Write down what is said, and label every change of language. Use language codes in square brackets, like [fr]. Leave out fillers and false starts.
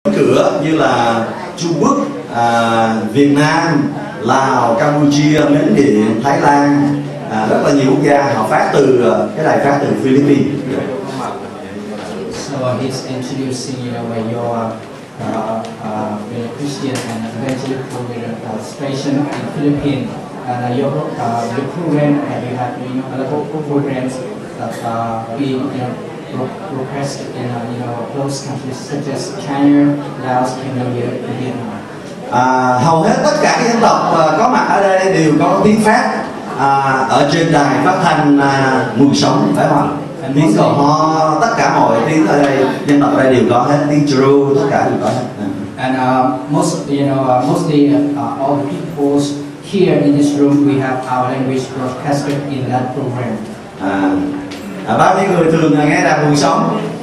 [vi] cửa như là Trung Quốc, Việt Nam, Lào, Campuchia, Miến Điện, Thái Lan, rất là nhiều quốc gia họ phát từ cái đài phát từ Philippines. [en] So he's introducing, you know, when you're a Christian and evangelical station in Philippines, and your program, and you have, you know, a lot of programs that be, you know, requested in, you know, those countries such as China, Laos, Cambodia, Vietnam. [vi] Hầu hết tất cả các dân tộc có mặt ở đây đều có tiếng Pháp ở trên đài phát thanh Nguồn Sống, phải không? Tiếng của họ, tất cả mọi tiếng ở đây, dân tộc ở đây đều có hết, tiếng Tru, tất cả đều có hết. [en] And most, you know, mostly all the people here in this room, we have our language broadcasted in that program. [vi] Bao nhiêu người thường nghe đài Nguồn Sống?